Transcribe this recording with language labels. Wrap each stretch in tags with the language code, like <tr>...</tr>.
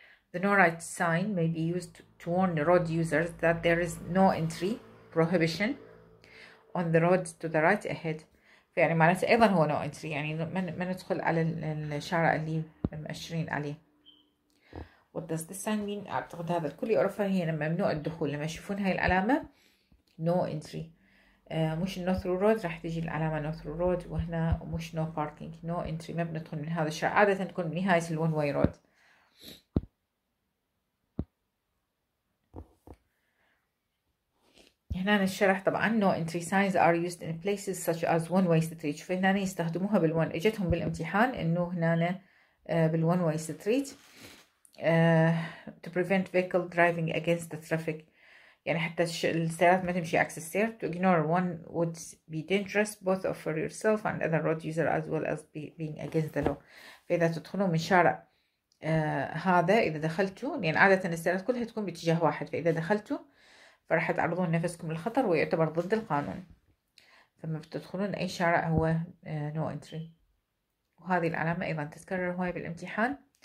<en>The no right sign may be used to warn road users that there is no entry prohibition on the road to the right ahead.</en> <ar>يعني معناته ايضا هو no entry، يعني ما ندخل على الشارع اللي مأشرين عليه.</ar> <en>What does this sign mean؟</en> <ar>اعتقد هذا الكل يعرفها، هي لما ممنوع الدخول، لما يشوفون هاي العلامة no entry، مش no through road، راح تجي العلامة no through road، وهنا مش no parking، no entry ما بندخل من هذا الشارع، عادة تكون من نهاية ال one way road. هنا الشرح طبعا</ar> <en>no entry signs are used in places such as one way street،</en> <ar>شوف هنا يستخدموها بالون، اجتهم بالامتحان انه هنا بالone way street</ar> <en>to prevent vehicle driving against the traffic،</en> <ar>يعني حتى السيارات ما تمشي عكس السير.</ar> <en>To ignore one would be dangerous both of for yourself and other road user as well as being against the law.</en> <ar>فاذا تدخلون من شارع هذا اذا دخلتوا، يعني عادة السيارات كلها تكون باتجاه واحد، فاذا دخلتوا فراح تعرضون نفسكم للخطر ويعتبر ضد القانون، فما بتدخلون اي شارع هو no entry. وهذه العلامة ايضا تتكرر هواي بالامتحان.</ar>